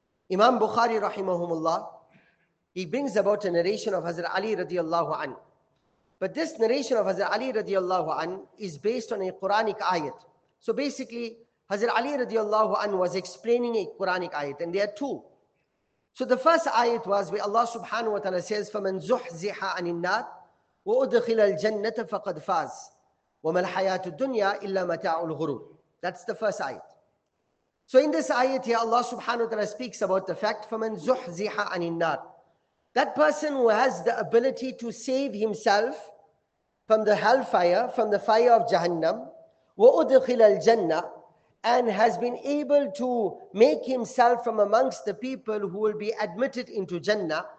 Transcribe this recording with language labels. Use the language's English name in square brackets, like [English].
[English] Imam Bukhari rahimahumullah, he brings about a narration of Hazrat Ali radiallahu an. But this narration of Hazrat Ali radiallahu an is based on a Quranic ayat. So basically, Hazrat Ali radiallahu an was explaining a Quranic ayat, and there are two. So the first ayat was where Allah subhanahu wa ta'ala says, [Arabic] فَمَنْ زُحْزِحَ عَنِ النَّارِ وَأُدْخِلَ الْجَنَّةَ فَقَدْ فَازْ وَمَا الْحَيَاةُ الدُّنْيَا إِلَّا مَتَاعُ الْغُرُورِ. [English] That's the first ayat. So in this ayat here, Allah subhanahu wa ta'ala speaks about the fact, [Arabic] فَمَنْ زُحْزِحَ عَنِ النَّارِ, [English] that person who has the ability to save himself from the hellfire, from the fire of Jahannam, [Arabic] وَأُدْخِلَ الْجَنَّةِ, [English] and has been able to make himself from amongst the people who will be admitted into Jannah.